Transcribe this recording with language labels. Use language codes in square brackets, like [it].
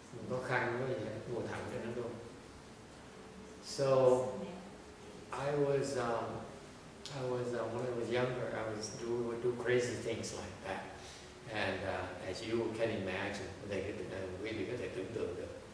[vi] Có khăn với gì hết, ngồi thẳng cho nó luôn. [en] So I was when I was younger, I was do crazy things like that. And as you can imagine, they could really [vi] có thể tưởng tượng được.